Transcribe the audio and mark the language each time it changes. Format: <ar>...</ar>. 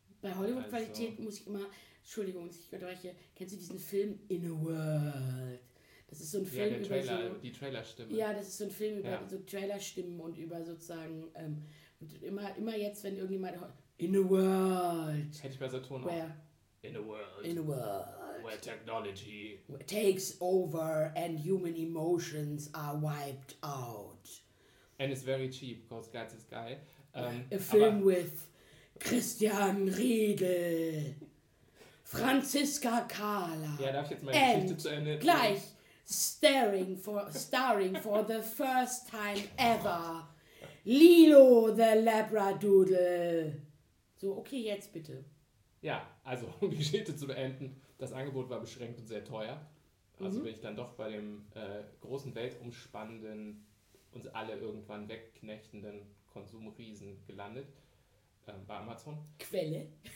<de>Bei Hollywood-Qualität also, muss ich immer, Entschuldigung, ich unterbreche, kennst du diesen Film In a World? Das ist so ein Film über Trailer, die Trailerstimme. Ja, das ist so ein Film über so Trailerstimmen und über sozusagen, und immer jetzt, wenn irgendjemand, In a World. Hätte ich bei Saturn auch.</de> <en>In a world. Where technology takes over and human emotions are wiped out. And it's very cheap, because God is geil. A film with Christian Riedel, Franziska Kahler.</en> <de>Ja, darf ich jetzt meine Geschichte zu Ende?</de> <en>Gleich starring for the first time ever, Lilo the Labradoodle.</en> <de>So, okay, jetzt bitte. Ja, also um die Geschichte zu beenden, das Angebot war beschränkt und sehr teuer. Also bin ich dann doch bei dem großen, weltumspannenden, uns alle irgendwann wegknechtenden Konsumriesen gelandet. Bei Amazon. Quelle.</de>